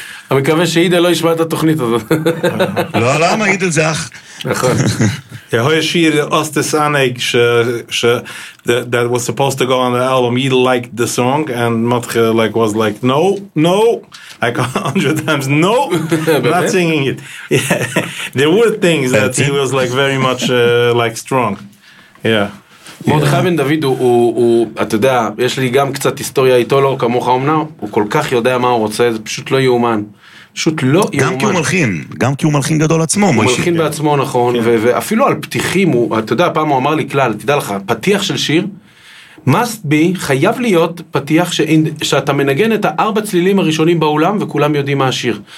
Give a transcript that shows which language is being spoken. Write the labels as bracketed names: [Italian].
[Hebrew] אני מקווה שאידל לא ישמע את התוכנית הזאת. לא, למה? אידל זה אח. נכון. יהיה שיר אוסטס אנג [English] that was supposed to go on the album, Yidel liked the song, and Matcha like was like, no, like 100 times, no, not singing it. There were things that he was like very much like strong. Yeah. [Hebrew] מרדכי בן דוד הוא, אתה יודע, יש לי גם קצת היסטוריה איתו, לא כמוך אומנם, הוא כל כך יודע מה הוא רוצה, זה פשוט לא יאומן. פשוט לא יאומן. גם כי הוא מלחין, גם כי הוא מלחין גדול עצמו. הוא מלחין בעצמו, נכון, ואפילו על פתיחים, אתה יודע, פעם הוא אמר לי כלל, תדע לך, פתיח של שיר, [English] must be, [Hebrew] חייב להיות פתיח שאתה מנגן את הארבע צלילים הראשונים באולם, וכולם יודעים מה השיר.